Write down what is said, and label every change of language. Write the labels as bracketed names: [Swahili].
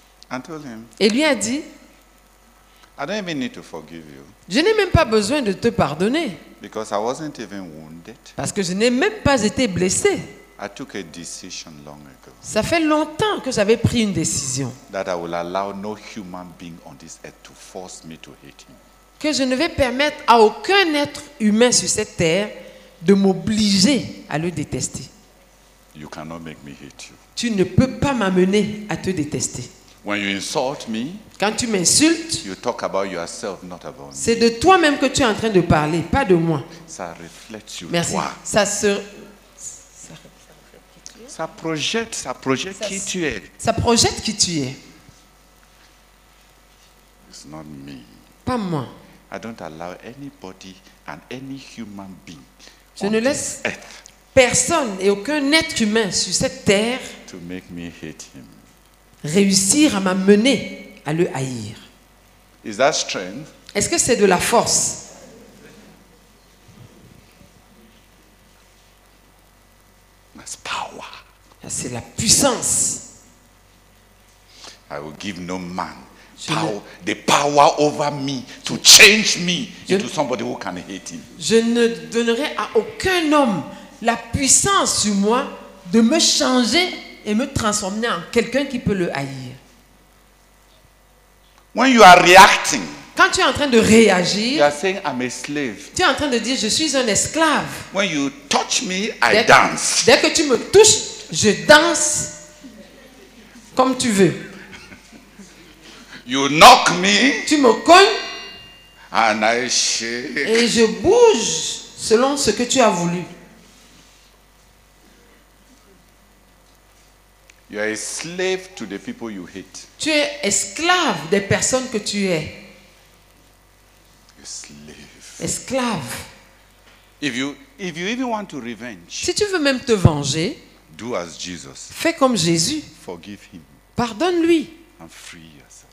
[English] and told him, [French] et lui a dit, [English] I don't even need to forgive you. [French] Je n'ai même pas besoin de te pardonner. [English] Because I wasn't even wounded. [French] Parce que je n'ai même pas été blessé. [English] I took a decision long ago. [French] Ça fait longtemps que j'avais pris une décision. [English] That I will allow no human being on this earth to force me to hate him. [French] Que je ne vais permettre à aucun être humain sur cette terre de m'obliger à le détester. [English] You cannot make me hate you. [French] Tu ne peux pas m'amener à te détester. [English] When you insult me, [French] quand tu m'insultes, [English] you talk about yourself, not about me. [French] C'est de toi-même que tu es en train de parler, pas de moi. Ça reflète sur Merci. Toi. Ça projette qui tu es. Ça projette qui tu es. [English] It's not me. [French] Pas moi. [English] I don't allow anybody and any human being. [French] Je ne laisse personne et aucun être humain sur cette terre [English] to make me hate him. [French] Réussir à m'amener à le haïr. [English] Is that strength? [French] Est-ce que c'est de la force? [English] That's power. [French] C'est la puissance. [English] I will give no man the power over me to change me into somebody who can hate him. [French] Je ne donnerai à aucun homme la puissance sur moi de me changer et me transformer en quelqu'un qui peut le haïr. [English] When you are reacting, [French] quand tu es en train de réagir, [English] you are saying, I'm a slave. [French] Tu es en train de dire je suis un esclave. [English] When you touch me, I dance. [French] Dès que tu me touches, je danse comme tu veux. [English] You knock me, [French] tu me cognes [English] and I shake. [French] Et je bouge selon ce que tu as voulu. [English] You are a slave to the people you hate. [French] Tu es esclave des personnes que tu es. [English] Esclave. If you even want to revenge, [French] si tu veux même te venger, [English] do as Jesus. [French] Fais comme Jésus. [English] Forgive him. [French] Pardonne-lui. [English] And free yourself.